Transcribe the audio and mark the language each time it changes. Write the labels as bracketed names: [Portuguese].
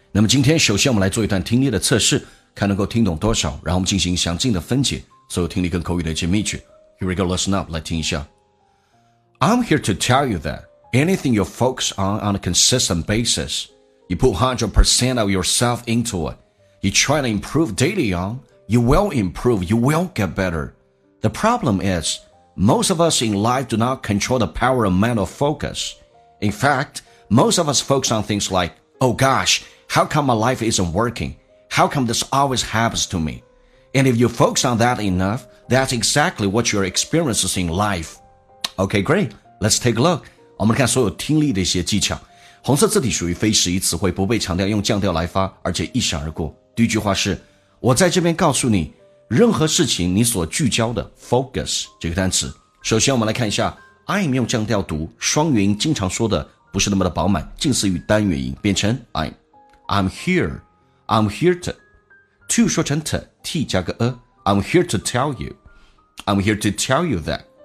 [Chinese] 那么今天首先我们来做一段听力的测试，看能够听懂多少，然后我们进行详尽的分解所有听力跟口语的一些秘诀。 [English] Here we go, listen up, [Chinese] 来听一下。 [English] I'm here to tell you that anything you focus on a consistent basis, you put 100% of yourself into it, you try to improve daily on, you will improve, you will get better. The problem isMost of us in life do not control the power of mental focus. In fact, most of us focus on things like, oh gosh, how come my life isn't working? How come this always happens to me? And if you focus on that enough, that's exactly what you're experiencing in life. Okay, great. Let's take a look. [Chinese] 我们看所有听力的一些技巧。红色字体属于非时宜词汇，不被强调，用降调来发，而且一闪而过。第一句话是，我在这边告诉你任何事情你所聚焦的 focus 这个单词。首先我们来看一下 I'm 用降调读，双元音经常说的不是那么的饱满，近似于单元音，变成 [English] I'm here, I'm here to [Chinese] 说成 t 加个 [English] I'm here to tell you, I'm here to tell you that.